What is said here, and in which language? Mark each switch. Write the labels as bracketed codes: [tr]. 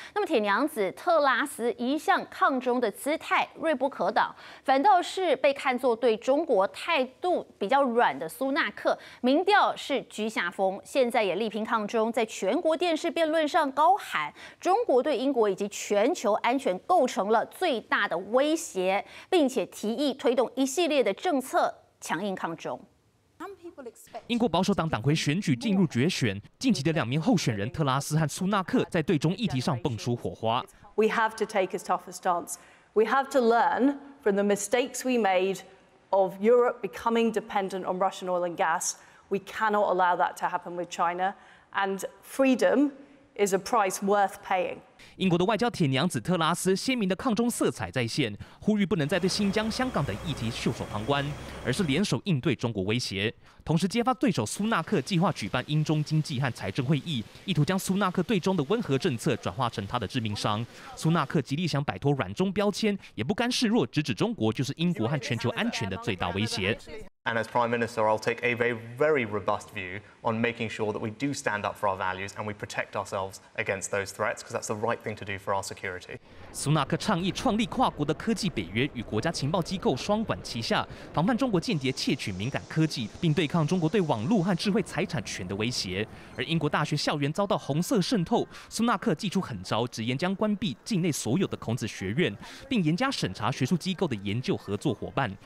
[zh] 那么铁娘子特拉斯一向抗中的姿态锐不可挡，反倒是被看作对中国态度比较软的苏纳克，民调是居下风，现在也力拼抗中，在全国电视辩论上高喊中国对英国以及全球安全构成了最大的威胁，并且提议推动一系列的政策强硬抗中。英国保守党党魁选举进入决选，近期的两名候选人特拉斯和苏纳克在对中议题上蹦出火花。 [en] We have to take a tougher stance. We have to learn from the mistakes we made of Europe becoming dependent on Russian oil and gas. We cannot allow that to happen with China. And freedom is a price worth paying. [zh] 英国的外交铁娘子特拉斯鲜明的抗中色彩再现，呼吁不能再对新疆、香港等议题袖手旁观，而是联手应对中国威胁。同时揭发对手苏纳克计划举办英中经济和财政会议，意图将苏纳克对中的温和政策转化成他的致命伤。苏纳克极力想摆脱软中标签，也不甘示弱，直指中国就是英国和全球安全的最大威胁。 [en] And as Prime Minister, I'll take a very, very robust view on making sure that we do stand up for our values and we protect ourselves against those threats, because that's the right thing to do for our security. [zh] 苏纳克倡议创立跨国的科技北约，与国家情报机构双管齐下，防范中国间谍窃取敏感科技，并对抗中国对网络和智慧财产权的威胁。而英国大学校园遭到红色渗透，苏纳克祭出狠招，直言将关闭境内所有的孔子学院，并严加审查学术机构的研究合作伙伴。